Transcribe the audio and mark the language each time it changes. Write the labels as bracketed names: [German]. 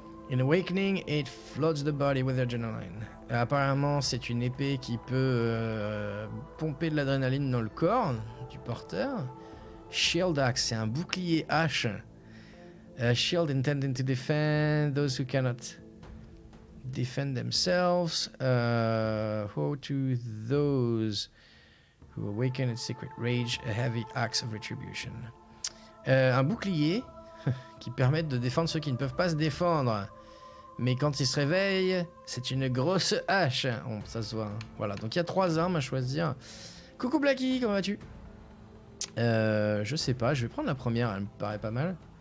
[English] In awakening, it floods the body with adrenaline. [French] Apparemment, c'est une épée qui peut pomper de l'adrénaline dans le corps du porteur. Shield axe, c'est un bouclier hache. [English] Shield intended to defend those who cannot defend themselves. Woe to those who awaken its secret rage, a heavy axe of retribution. [French] Un bouclier qui permet de défendre ceux qui ne peuvent pas se défendre. Mais quand il se réveille, c'est une grosse hache. Bon, ça se voit. Hein. Voilà, donc il y a trois armes à choisir. Coucou Blacky, comment vas-tu? Je sais pas, je vais prendre la première, elle me paraît pas mal.